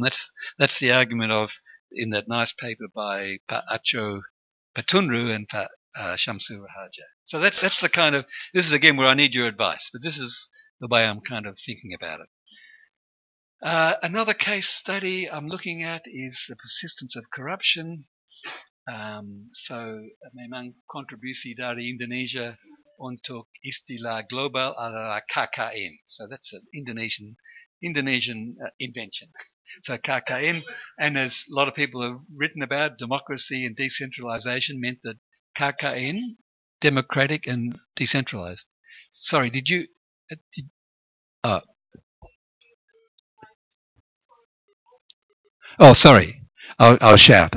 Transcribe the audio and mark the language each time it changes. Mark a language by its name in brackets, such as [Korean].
[English] That's the argument of, in that nice paper by Pak Acho Patunru and Pak Shamsu Raharja. So that's the kind of, this is again where I need your advice, but this is the way I'm kind of thinking about it. Another case study I'm looking at is the persistence of corruption. [Indonesian] So Memang Kontribusi Dari Indonesia Untuk istilah global adalah KKN. [English] So that's an Indonesian invention. So KKN, and as a lot of people have written about, democracy and decentralization meant that KKN, democratic and decentralized. Sorry, I'll shout.